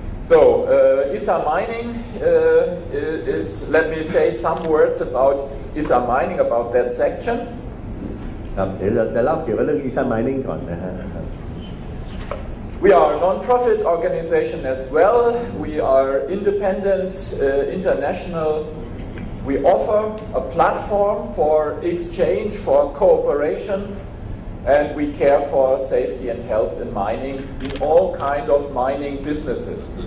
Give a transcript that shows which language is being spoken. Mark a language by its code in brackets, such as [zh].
[en] So ISSA mining is let me say some words about ISSA mining about that section. [th] ครับเดี๋ยวเราจะเล่าเกี่ยวกับเรื่อง ISSA mining ก่อนนะฮะ [en] We are a non-profit organization as well. We are independent, international. We offer a platform for exchange, for cooperation, and we care for safety and health in mining, in all kind of mining businesses.